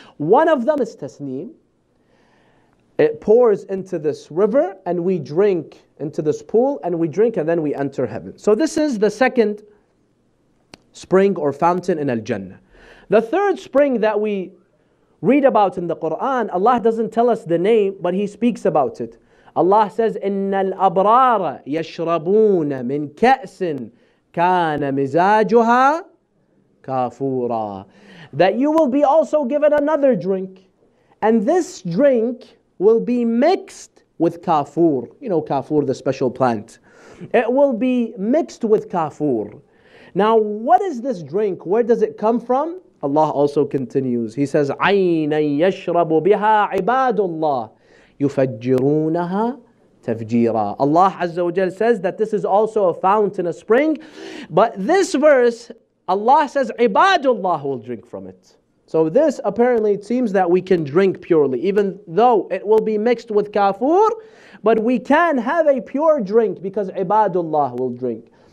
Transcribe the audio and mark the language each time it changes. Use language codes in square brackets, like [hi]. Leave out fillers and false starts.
[en] One of them is tasneem. It pours into this river and we drink into this pool and we drink and then we enter heaven. So this is the second spring or fountain in Al-Jannah. The third spring that we read about in the Quran, Allah doesn't tell us the name, but He speaks about it. [ar] Allah says, إِنَّ الْأَبْرَارَ يَشْرَبُونَ مِنْ كَأْسٍ كَانَ مِزَاجُهَا كَافُورًا. [en] That you will be also given another drink. And this drink will be mixed with kafur. You know kafur, the special plant. It will be mixed with kafur. Now, what is this drink? Where does it come from? Allah also continues. [ar] He says, عَيْنًا يَشْرَبُ بِهَا عِبَادُ اللَّهِ يُفَجِّرُونَهَا تَفْجِيرًا. [en] Allah Azza wa Jal says that this is also a fountain, a spring. But this verse, Allah says, عِبَادُ اللَّهِ will drink from it. So this apparently it seems that we can drink purely, even though it will be mixed with kafur, but we can have a pure drink because عِبَادُ اللَّهِ will drink.